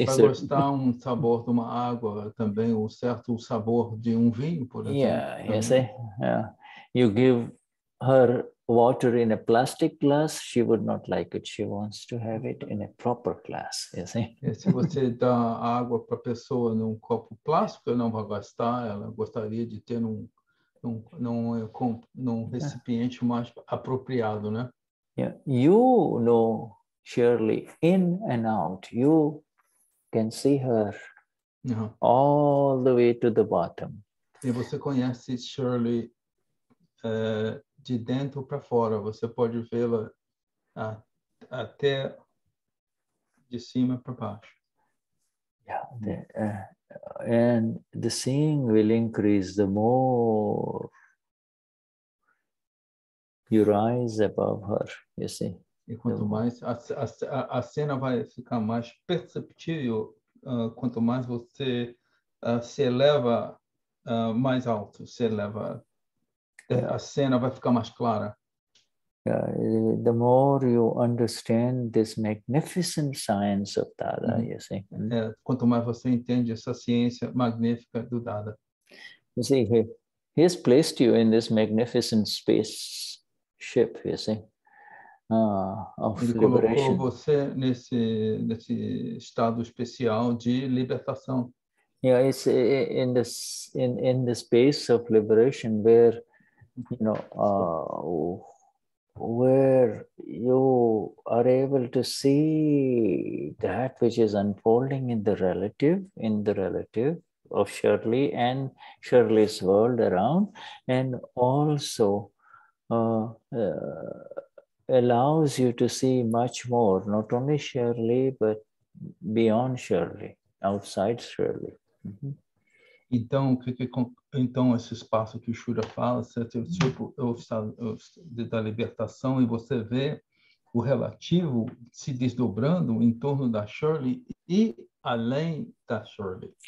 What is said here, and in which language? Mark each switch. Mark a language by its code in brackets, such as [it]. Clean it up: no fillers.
[pt] para gostar um sabor de uma água também, ou certo sabor de vinho, por exemplo. [en] Yeah, you see? Yeah. You give her water in a plastic glass, she would not like it. She wants to have it in a proper glass, you see? [pt] Se você dá água para a pessoa num copo plástico, ela não vai gostar, ela gostaria de ter num recipiente mais apropriado, né? [en] Yeah, you know. Surely, in and out, you can see her uh-huh. all the way to the bottom. [pt] E você conhece Shirley de dentro para fora. Você pode vê-la até de cima para baixo. [en] Yeah, and the seeing will increase the more you rise above her, you see. [pt] E quanto mais a cena vai ficar mais perceptível, quanto mais você se eleva mais alto, se eleva, a cena vai ficar mais clara. [en] The more you understand this magnificent science of Dada, you see. [pt] Quanto mais você entende essa ciência magnífica do Dada. [en] You see, he has placed you in this magnificent spaceship, you see. [pt] Ele colocou você nesse estado especial de libertação. [en] Yeah, it's in the space of liberation where you know where you are able to see that which is unfolding in the relative of Shirley and Shirley's world around, and also allows you to see much more, not only Shirley, but beyond Shirley, outside Shirley. Mm-hmm. [pt] Então, então, esse espaço que o Shuddha fala, certo? Tipo, o estado da libertação, e você vê o relativo se desdobrando em torno da Shirley e além da Shirley.